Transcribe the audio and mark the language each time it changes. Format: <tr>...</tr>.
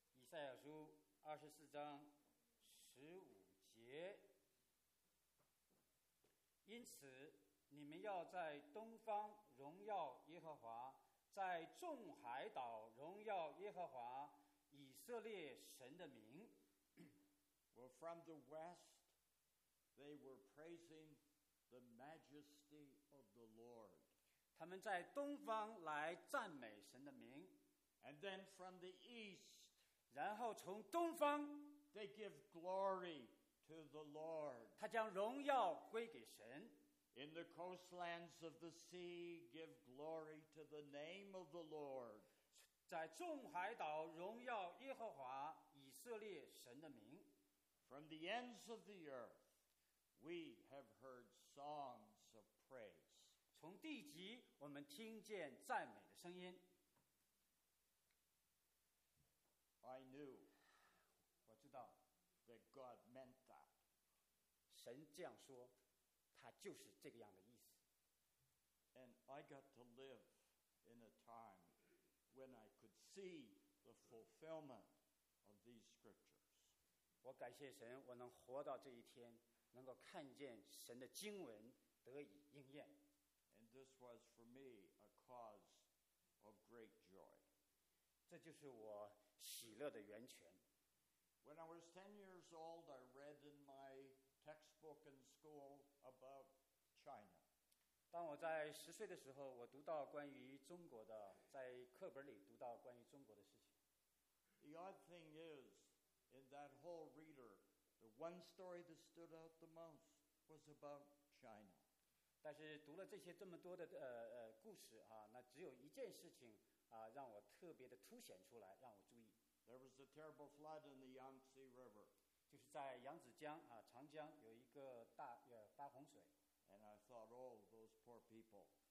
<zh>赛亚书24章15节，因此你们要在东方荣耀耶和华，在众海岛荣耀耶和华以色列神的名。</zh> <en>Well, from the west, they were praising the majesty of the Lord.</en> <zh>他们在东方来赞美神的名。</zh> <en>And then from the east.</en> <zh>然后从东方</zh> <en>they give glory to the Lord.</en> <zh>他将荣耀归给神。</zh> <en>In the coastlands of the sea, give glory to the name of the Lord.</en> <zh>在众海岛荣耀耶和华以色列神的名。</zh> <en>From the ends of the earth, we have heard songs of praise.</en> <zh>从地极我们听见赞美的声音。</zh> <en>I knew,</en> <zh>我知道</zh> <en>that God meant that.</en> <zh>神这样说，他就是这个样的意思。</zh> <en>And I got to live in a time when I could see the fulfillment of these scriptures.</en> <zh>我感谢神，我能活到这一天，能够看见神的经文得以应验。</zh> <en>And this was for me a cause of great joy.</en> <zh>这就是我喜乐的源泉。</zh> <en>When I was 10 years old, I read in my textbook in school about China.</en> <zh>当我在十岁的时候，我读到关于中国的，在课本里读到关于中国的事情。</zh> <en>The odd thing is, in that whole reader, the one story that stood out the most was about China.</en> <zh>但是读了这些这么多的故事啊，那只有一件事情啊，让我特别的凸显出来，让我注意。</zh> <en>There was a terrible flood in the Yangtze River.</en> <zh>就是在扬子江啊，长江有一个大大洪水。</zh> <en>And I thought, oh, those poor people.</en>